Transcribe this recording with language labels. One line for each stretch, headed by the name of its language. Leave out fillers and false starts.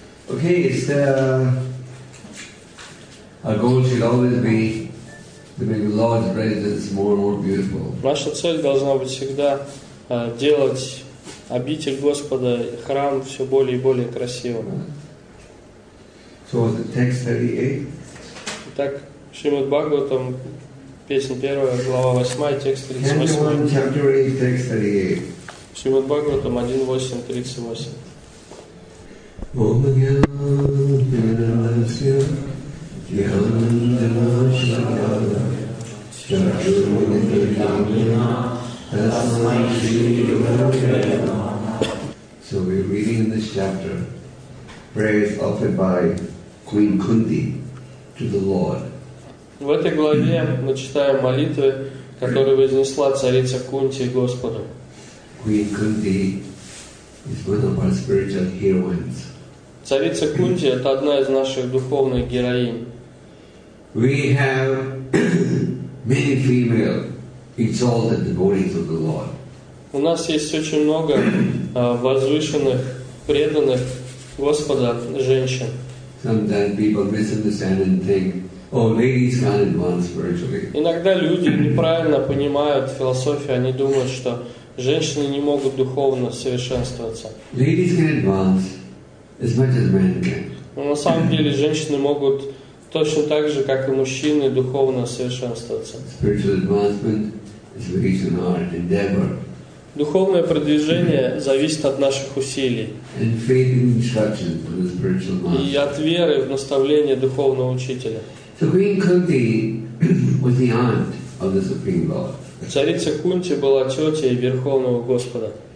English: Okay, it's our goal should always be to make the Lord's presence more and more beautiful.
Russian: Наша цель должна быть всегда делать обитель Господа, храм все более и более красивым.
English: So the text 38.
Russian: Итак, Шримад Бхагаватам, песня первая, глава 8, текст 38.
English: Canto 1, chapter 8, text 38.
Russian: Шримад Бхагаватам 1.8.38.
Sanskrit: Ом гьянапинасья гьянджанашадхара чакшурмудхиямина тасмай шриюхарвена.
English: So we're reading in this chapter prayers offered by Queen Kunti to the Lord.
Russian: В этой главе мы читаем молитвы, которые вознесла царица Кунти Господу.
English: Queen Kunti is one of our spiritual heroines.
Russian: Царица Кунти — это одна из наших духовных героинь.
English: We have many female exalted devotees of the Lord.
Russian: У нас есть очень много возвышенных, преданных Господа женщин.
English: Sometimes people misunderstand and think, oh, ladies can't advance spiritually.
Russian: Иногда люди неправильно понимают философию, они думают, что женщины не могут духовно совершенствоваться.
English: Ladies can advance as much as men can.
Russian: Но на самом деле женщины могут точно так же, как и мужчины, духовно совершенствоваться.
English: Spiritual advancement is based on our endeavor.
Russian: Духовное продвижение зависит от наших усилий.
English: And faith in instruction from the spiritual master.
Russian: И от веры в наставление духовного учителя.
English: So Queen Kunti was the aunt of the Supreme Lord.
Russian: Царица Кунти была тетей Верховного Господа.